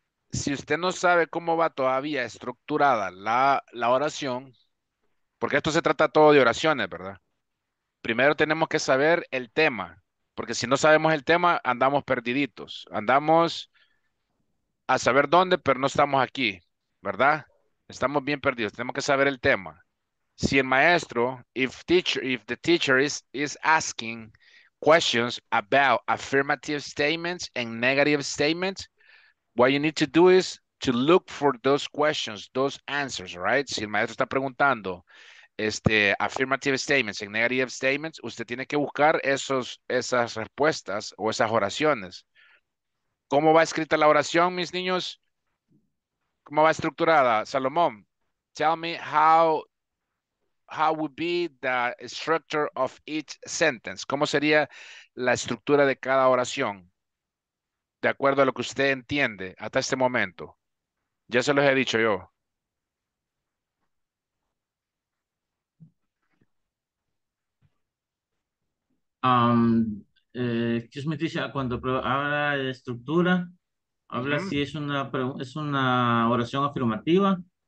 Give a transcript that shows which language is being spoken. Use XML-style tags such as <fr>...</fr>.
<es>Si usted no sabe cómo va todavía estructurada la oración, porque esto se trata todo de oraciones, ¿verdad? Primero tenemos que saber el tema, porque si no sabemos el tema, andamos perdiditos. Andamos a saber dónde, pero no estamos aquí, ¿verdad? Estamos bien perdidos. Tenemos que saber el tema. Si el maestro,</es> <en>if the teacher is asking questions about affirmative statements and negative statements, what you need to do is to look for those questions, those answers, right?</en> <es>Si el maestro está preguntando, affirmative statements and negative statements, usted tiene que buscar esas respuestas o esas oraciones. ¿Cómo va escrita la oración, mis niños? ¿Cómo va estructurada?</es> <en>Salomón, tell me how would be the structure of each sentence?</en> <es>¿Cómo sería la estructura de cada oración? De acuerdo a lo que usted entiende hasta este momento. Ya se los he dicho yo.</es> <en>Excuse me,</en> <es>Tisha, cuando habla de estructura, habla si es una oración afirmativa.</es>